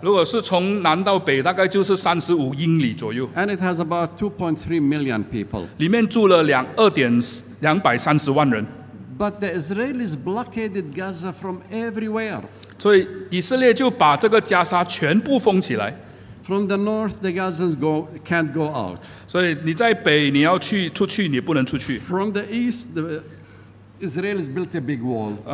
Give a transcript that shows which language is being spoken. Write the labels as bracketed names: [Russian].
[Chinese] 如果是从南到北，大概就是35英里左右。 [English] And it has about 2.3 million people. [Chinese] 里面住了230万人。 [English] But the Israelis blockaded Gaza from everywhere. [Chinese] 所以以色列就把这个加沙全部封起来。 [English] From the north, the Gazans can't go out. [Chinese] 所以你在北，你要去出去，你不能出去。 [English] From the east, the Israelis built a big wall.